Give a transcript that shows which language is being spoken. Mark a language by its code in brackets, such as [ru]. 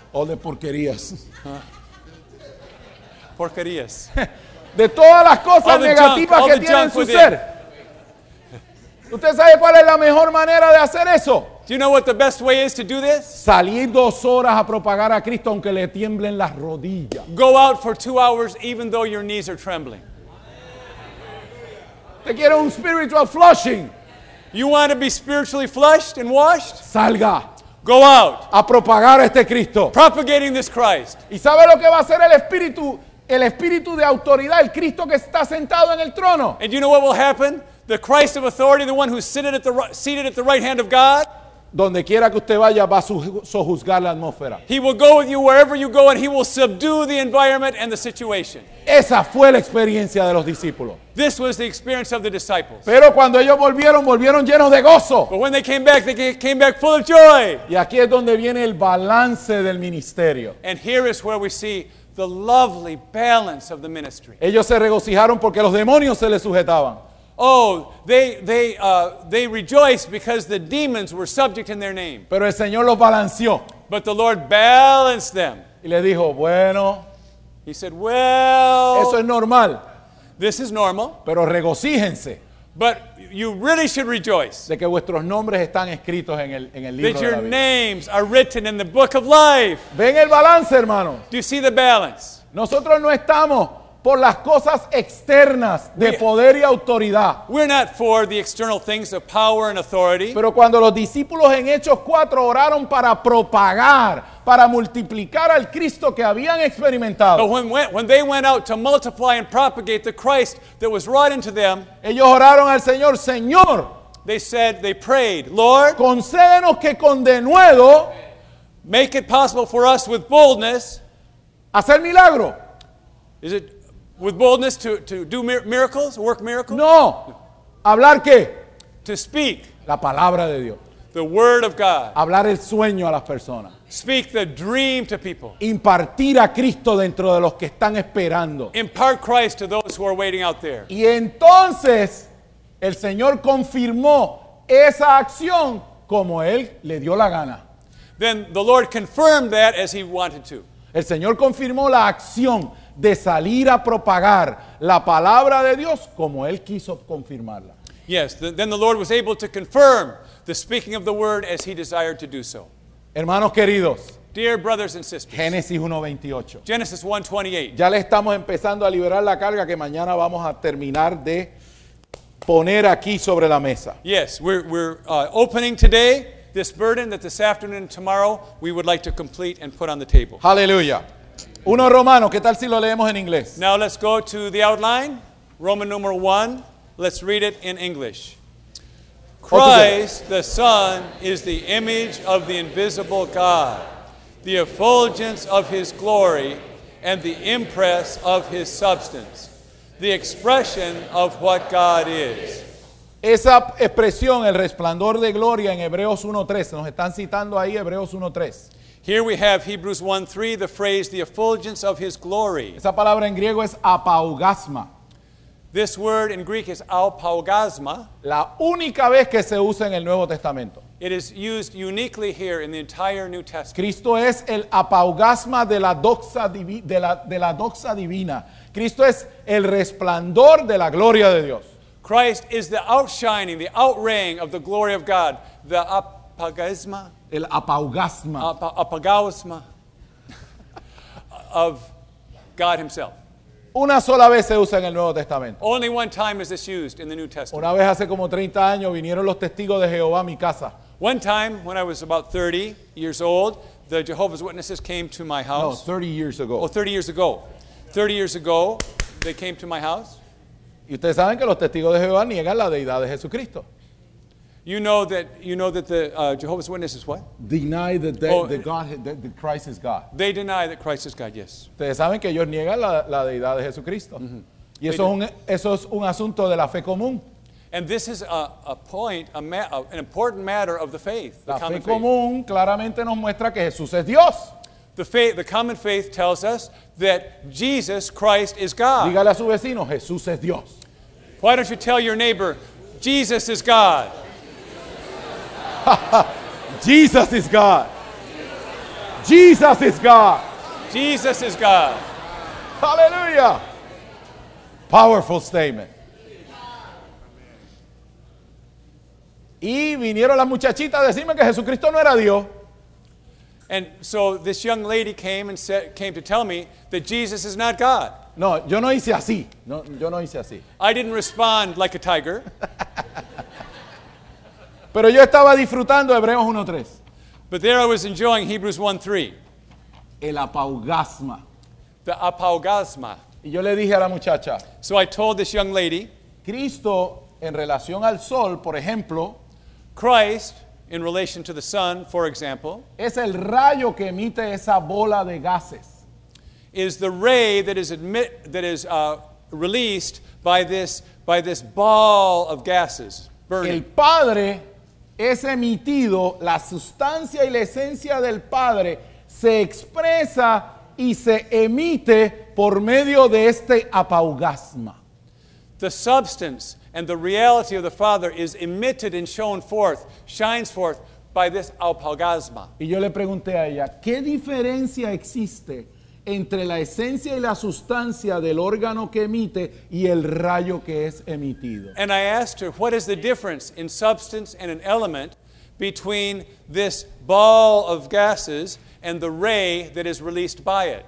[en] All the porquerías. [es] Porquerías. De todas las cosas negativas que tiene en su ser. ¿Usted sabe cuál es la mejor manera de hacer eso? [en] Do you know what the best way is to do this? [es] Salir dos horas a propagar a Cristo aunque le tiemblen las rodillas. [en] Go out for 2 hours even though your knees are trembling. [es] Te quiero un [en] spiritual flushing. You want to be spiritually flushed and washed? [es] Salga. [en] Go out. [es] A propagar este Cristo. [en] Propagating this Christ. [es] ¿Y sabe lo que va a hacer el Espíritu de autoridad, el Cristo que está sentado en el trono? [en] And you know what will happen? The Christ of authority, the one who's seated at the right hand of God. [es] Donde quiera que usted vaya, va a sojuzgar la atmósfera. [en] He will go with you wherever you go and he will subdue the environment and the situation. [es] Esa fue la experiencia de los discípulos. [en] This was the experience of the disciples. [es] Pero cuando ellos volvieron, volvieron llenos de gozo. [en] But when they came back full of joy. [es] Y aquí es donde viene el balance del ministerio. [en] And here is where we see the lovely balance of the ministry. [es] Ellos se regocijaron porque los demonios se les sujetaban. [en] Oh, they rejoiced because the demons were subject in their name. [es] Pero el Señor los balanceó. [en] But the Lord balanced them. [es] Y le dijo, bueno. [en] He said, well. [es] Eso es normal. [en] This is normal. [es] Pero regocíjense. [en] But you really should rejoice. [es] De que vuestros nombres están escritos en el libro de la vida. [en] That your names are written in the book of life. [es] Ven el balance, hermano. [en] Do you see the balance? [es] Nosotros no estamos por las cosas externas de poder y autoridad. [en] We're not for the external things of power and authority. [es] Pero cuando los discípulos en Hechos 4 oraron para propagar, para multiplicar al Cristo que habían experimentado. [en] But when they went out to multiply and propagate the Christ that was wrought into them, [es] ellos oraron al Señor, Señor. [en] They said, they prayed, Lord, [es] concédenos que con denuedo, [en] make it possible for us with boldness, [es] hacer milagro. [en] Is it with boldness to do miracles, work miracles? [es] No. ¿Hablar qué? [en] To speak. [es] La palabra de Dios. [en] The word of God. [es] Hablar el sueño a las personas. [en] Speak the dream to people. [es] Impartir a Cristo dentro de los que están esperando. [en] Impart Christ to those who are waiting out there. [es] Y entonces el Señor confirmó esa acción como Él le dio la gana. [en] Then the Lord confirmed that as He wanted to. [es] El Señor confirmó la acción de salir a propagar la palabra de Dios como Él quiso confirmarla. [en] Yes, then the Lord was able to confirm the speaking of the word as He desired to do so. [es] Hermanos queridos, [en] dear brothers and sisters, Genesis 1:28. [es] Ya le estamos empezando a liberar la carga que mañana vamos a terminar de poner aquí sobre la mesa. [en] Yes, we're opening today this burden that this afternoon and tomorrow we would like to complete and put on the table. Hallelujah. [es] Uno Romano, ¿qué tal si lo leemos en inglés? [en] Now let's go to the outline. Roman number one. Let's read it in English. Christ the Son is the image of the invisible God, the effulgence of His glory, and the impress of His substance, the expression of what God is. [es] Esa expresión, el resplandor de gloria en Hebreos 1:3, nos están citando ahí Hebreos 1:3. [en] Here we have Hebrews 1:3, the phrase, the effulgence of His glory. [es] Esa palabra en griego es apaugasma. [en] This word in Greek is apaugasma. [es] La única vez que se usa en el Nuevo Testamento. [en] It is used uniquely here in the entire New Testament. [es] Cristo es el apaugasma de la doxa divina. Cristo es el resplandor de la gloria de Dios. [en] Christ is the outshining, the outraying of the glory of God. The apaugasma. [es] El apaugasma. [en] Apaugasma of God Himself. [es] Una sola vez se usa en el Nuevo Testamento. [en] Only one time is this used in the New Testament. [es] Una vez hace como 30 años vinieron los testigos de Jehová a mi casa. [en] One time when I was about 30 years old, the Jehovah's Witnesses came to my house. No, 30 years ago. Oh, 30 years ago. 30 years ago, they came to my house. [es] Y ustedes saben que los testigos de Jehová niegan la deidad de Jesucristo. [en] You know that the Jehovah's Witnesses what? Deny that the Christ is God. They deny that Christ is God. Yes. [es] Ustedes saben que ellos niegan la deidad de Jesucristo. Y eso es un asunto de la fe común. [en] And this is an important matter of the faith. [es] La fe común claramente nos muestra que Jesús es Dios. [en] The common faith tells us that Jesus Christ is God. [es] Dígale a su vecino, Jesús es Dios. [en] Why don't you tell your neighbor, Jesus is God? Jesus is God. Jesus is God. Jesus is God. Hallelujah. Powerful statement. [es] Y vinieron las muchachitas a decirme que Jesucristo no era Dios. [en] And so this young lady came and said, came to tell me that Jesus is not God. [es] No, yo no hice así. No, yo no hice así. [en] I didn't respond like a tiger. [es] Pero yo estaba disfrutando Hebreos 1:3. [en] But there I was enjoying Hebrews 1:3. [es] El apaugasma. [en] The apaugasma. [es] Y yo le dije a la muchacha. [en] So I told this young lady. [es] Cristo en relación al sol, por ejemplo. [en] Christ. In relation to the sun, for example, [es] es el rayo que emite esa bola de gases. [en] Is the ray that is released by this ball of gases burning. [es] El Padre es emitido, la sustancia y la esencia del Padre se expresa y se emite por medio de este apaugasma. [en] The substance and the reality of the Father is emitted and shown forth, shines forth by this apaugasma. [es] Y yo le pregunté a ella, ¿qué diferencia existe entre la esencia y la sustancia del órgano que emite y el rayo que es emitido? [en] And I asked her, what is the difference in substance and an element between this ball of gases and the ray that is released by it?